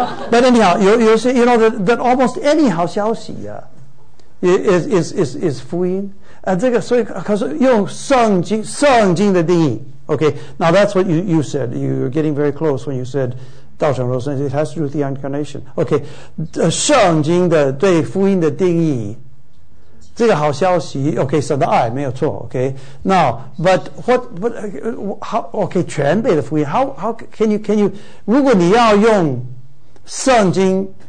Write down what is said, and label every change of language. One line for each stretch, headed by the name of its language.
English: But anyhow, you see, you know, that almost any
Chinese: 好消息啊
English: is 福音。
Chinese: 这个所以可是用圣经的定义 ,OK.
English: Now that's what you said. You're getting very close when you said,
Chinese: 道成肉身
English: it has to do with the incarnation. OK.
Chinese: 圣经的对福音的定义这个好消息 ,OK, 神的爱没有错 ,OK,
English: now, but what, but, how,
Chinese: OK, 全备的福音 ,
English: how can you,
Chinese: 如果你要用圣经